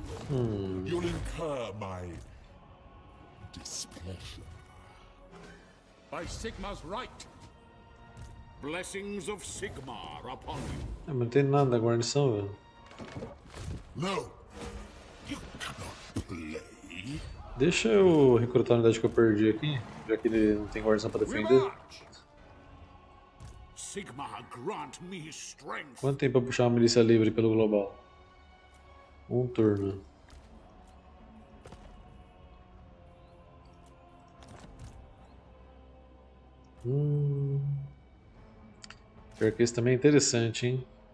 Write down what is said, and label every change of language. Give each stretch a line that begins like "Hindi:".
English: You'll incur my displeasure. By Sigmar's right. Blessings of Sigmar upon you.
Portuguese: Não tem nada da guarnição, velho.
English: No! You cannot play!
Portuguese: Deixa eu recrutar a unidade que eu perdi aqui, já que ele não tem guarnição pra defender.
English: Sigmar, grant me strength.
Portuguese: Quanto tempo pra puxar uma milícia livre pelo global? Um turno. Pior que esse também é interessante, hein?